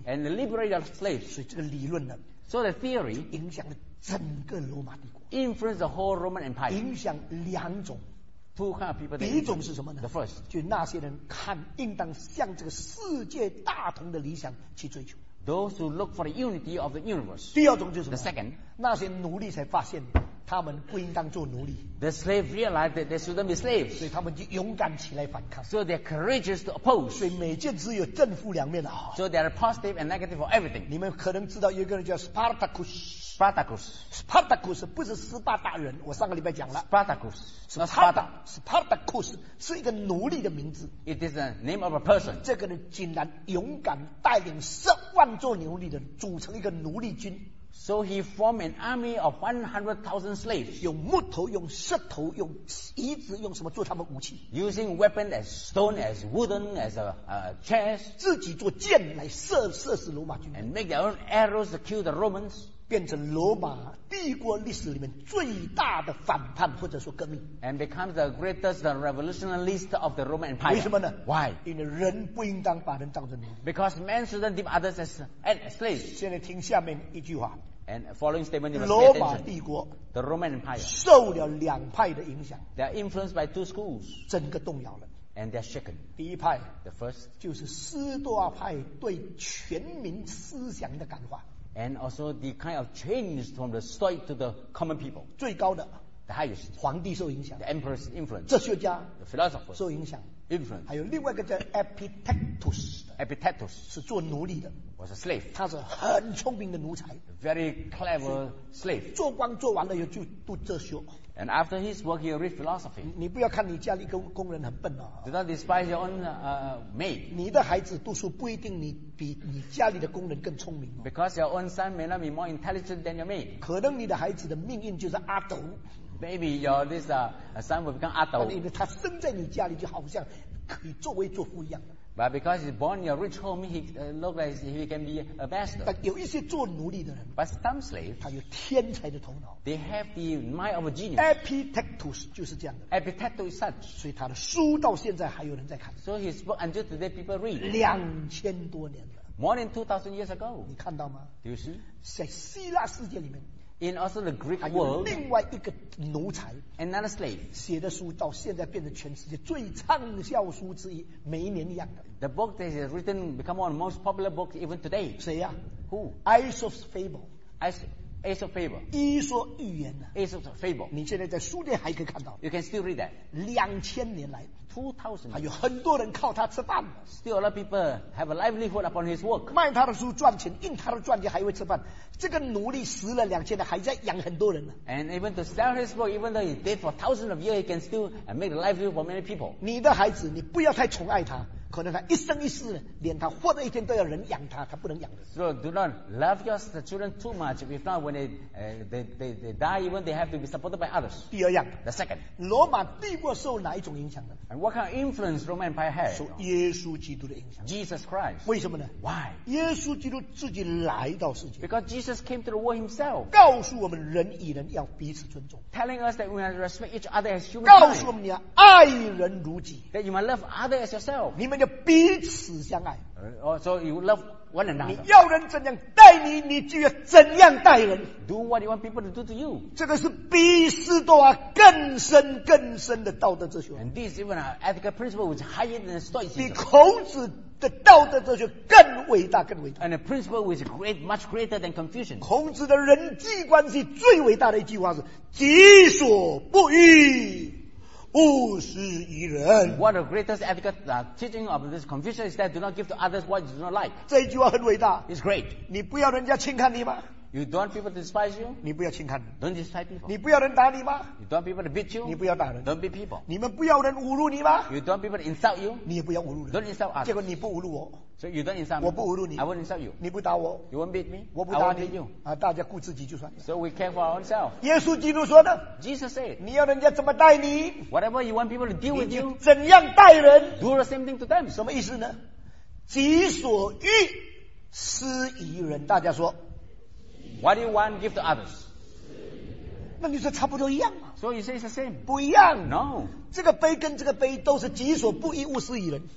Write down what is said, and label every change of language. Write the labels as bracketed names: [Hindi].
[English] ，and liberate your slaves。 [Chinese] 所以这个理论呢 [English] ，so the theory， [Chinese] 影响了整个罗马帝国 [English] ，influence the whole Roman Empire。 [Chinese] 影响两种。 [English] Two kind of people. [Chinese] 第一种是什么呢 [English] ？The first， [Chinese] 就那些人看应当向这个世界大同的理想去追求。 [English] Those who look for the unity of the universe. [Chinese] 第二种就是什么 [English] ？The second， [Chinese] 那些奴隶才发现他们不应当做奴隶。 [English] The slave realized that they shouldn't be slaves. [Chinese] 所以他们就勇敢起来反抗。 [English] So they're courageous to oppose. [Chinese] 所以每件事有正负两面的、哦、 [English] So there are positive and negative for everything. [Chinese] 你们可能知道有一个人叫 Spartacus。 [English] Spartacus， [Chinese] Spartacus 不是斯巴达人，我上个礼拜讲了。 [English] Spartacus， [Chinese] 是 Sparta， Spartacus 是一个奴隶的名字。 [English] It is a name of a person。 [Chinese] 这个人竟然勇敢带领十万座奴隶的组成一个奴隶军。 [English] So he formed an army of 100,000 slaves. [Chinese] 用木头，用石头，用椅子，用什么做他们武器 [English] ？Using weapon as stone, as wooden, as a chairs. [Chinese] 自己做箭来射死罗马军。 [English] And make their own arrows to kill the Romans. [Chinese] 变成罗马帝国历史里面最大的反叛或者说革命。 [English] And becomes the greatest revolutionist of the Roman Empire. [Chinese] 为什么呢 [English] ？Why？ [Chinese] 因为人不应当把人当成奴隶。 [English] Because men shouldn't deem others as slaves. [Chinese] 现在听下面一句话。 [English] And following statement, [Chinese] 罗马帝国 [English] ，the Roman Empire [Chinese] 受了两派的影响 [English] ，they are influenced by two schools， [Chinese] 整个动摇了 [English] ，and they are shaken。 [Chinese] 第一派 [English] ，the first [Chinese] 就是斯多派对全民思想的感化 [English] ，and also the kind of change from the Stoic to the common people， [Chinese] 最高的 [English] ，the highest [Chinese] 皇帝受影响 [English] ，the emperor's influence， [Chinese] 哲学家 [English] ，the philosopher [Chinese] 受影响 [English] ，influence， [Chinese] 还有另外一个叫 Epictetus。 [English] Epictetus [Chinese] 是做奴隶的 [English] ，was a slave。 [Chinese] 他是很聪明的奴才 [English] ，very clever slave。 [Chinese] 做官做完了以后就读哲学。 [English] And after his work, he read philosophy. [Chinese] 你不要看你家里工人很笨哦。 [English] Do not despise your own maid. [Chinese] 你的孩子读书不一定比你家里的工人更聪明、哦。 [English] Because your own son may not be more intelligent than your maid. [Chinese] 可能你的孩子的命运就是阿斗。 [English] Maybe your this son will become 阿斗。 [Chinese] 因为他生在你家里就好像可以作威作福一样。 [English] But because he's born in a rich home, he looks like he can be a master. But [Chinese] 有一些做奴隶的人 [English] ，But some slave， [Chinese] 他有天才的头脑。 [English] They have the mind of a genius. [Chinese] Epictetus 就是这样的。 [English] Epictetus is such， [Chinese] 所以他的书到现在还有人在看。 [English] So his book until today people read. [Chinese] 2000多年 [English] More than 2000 years ago. [Chinese] 你看到吗 [English] ？Do you see？ [Chinese] 在希腊世界里面。 [English] In also the Greek world, [Chinese] 另外一个奴才 [English] ，another slave， [Chinese] 写的书到现在变成全世界最畅销书之一，每一年一样的。 [English] The book that is written become one of the most popular books even today. [Chinese] 谁呀、啊、 [English] ？Who? Aesop's Fable. Aesop. Ace of Fable. [Chinese] 伊索寓言呢 [English] ？Ace of Fable. [Chinese] 你现在在书店还可以看到。 [English] You can still read that. [Chinese] 2000年来 [English] ，2000， [Chinese] 还有很多人靠他吃饭。 [English] Still a lot of people have a livelihood upon his work. [Chinese] 卖他的书赚钱，印他的传记还会吃饭。这个奴隶死了2000年，还在养很多人呢。 [English] And even to sell his book, even though he did for thousands of years, he can still make a livelihood for many people. [Chinese] 你的孩子，你不要太宠爱他。可能他一生一世，连他活的一天都要人养他，他不能养的。 [English] So do not love your children too much. If not, when they die, even they have to be supported by others. [Chinese] 第二样 [English] ，the second， [Chinese] 罗马帝国受哪一种影响呢 [English] ？And what kind of influence Roman Empire had？ [Chinese] 受耶稣基督的影响。 [English] Jesus Christ。 [Chinese] 为什么呢 [English] ？Why？ [Chinese] 耶稣基督自己来到世界。 [English] Because Jesus came to the world himself。 [Chinese] 告诉我们人与人要彼此尊重。 [English] Telling us that we must respect each other as human。 [Chinese] 告诉我们你要爱人如己。 [English] That you must love others as yourself。 [Chinese] 你们要彼此相爱。 [English] So you love one another. [Chinese] 你要人怎样待你，你就要怎样待人。 [English] Do what you want people to do to you. [Chinese] 这个是比斯多啊更深更深的道德哲学。 [English] And this is even an ethical principle which is higher than Stoicism. [Chinese] 比孔子的道德哲学更伟大更伟大。 [English] And a principle which is great, much greater than Confucian. [Chinese] 孔子的人际关系最伟大的一句话是：己所不欲。勿施于人。 [English] One of the greatest ethical teaching of this Confucius is that do not give to others what you do not like. [Chinese] 这一句话很伟大。 [English] It's great. [Chinese] 你不要人家轻看你吗？ [English] You don't want people to despise you. [Chinese] 你不要轻看。 [English] Don't despise people. [Chinese] 你不要人打你吗？ [English] You don't want people to beat you. [Chinese] 你不要打人。 [English] Don't beat people. [Chinese] 你们不要人侮辱你吗？ [English] You don't want people to insult you. [Chinese] 你也不要侮辱人。 [English] Don't insult others. [Chinese] 结果你不侮辱我。 [English] So you don't insult me. [Chinese] 我不侮辱你。 [English] I won't insult you. [Chinese] 你不打我。 [English] You won't beat me. [Chinese] 我不打你。 [English] I won't beat you. [Chinese] 啊，大家顾自己就算。 [English] So we care for ourselves. [Chinese] 耶稣基督说的。 [English] Jesus said. [Chinese] 你要人家怎么待你？ [English] Whatever you want people to deal with you. [Chinese] 怎样待人？ [English] Do the same thing to them. [Chinese] 什么意思呢？己所欲施于人，大家说。 [English] What do you want give to others? [Chinese] 那你说差不多一样嘛。 [English] So you say it's the same. [Chinese] 不一样。 [English] No. [Chinese] 这个杯跟这个杯都是己所不欲勿施于人。